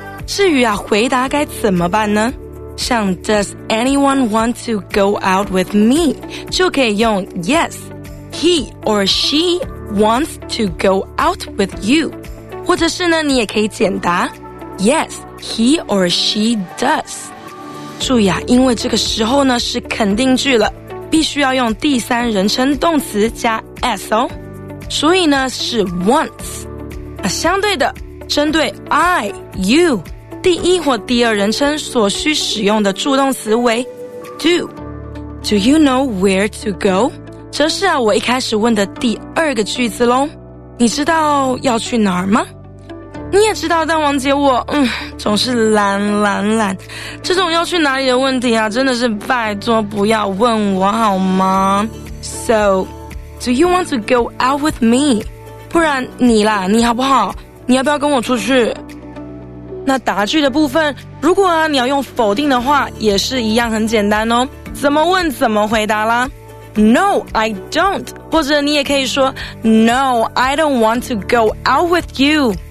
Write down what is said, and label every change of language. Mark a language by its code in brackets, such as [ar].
[zh] 至于啊，回答该怎么办呢？ [en] 像 does anyone want to go out with me 就可以用 yes he or she wants to go out with you， [zh] 或者是呢，你也可以简答 [en] yes he or she does。 [zh] 注意啊，因为这个时候呢是肯定句了，必须要用第三人称动词加 s 哦，所以呢是 wants。那相对的，针对 I, you 第一或第二人称所需使用的助动词为 do。 [en] Do you know where to go? [zh] 则是啊，我一开始问的第二个句子咯，你知道要去哪儿吗？你也知道，但王姐我总是懒，这种要去哪里的问题啊，真的是拜托不要问我好吗？ [en] So, do you want to go out with me? [zh] 不然你啦，你好不好？你要不要跟我出去？那答句的部分，如果啊你要用否定的话，也是一样很简单哦，怎么问怎么回答啦。 [en] No, I don't. [zh] 或者你也可以说 [en] No, I don't want to go out with you.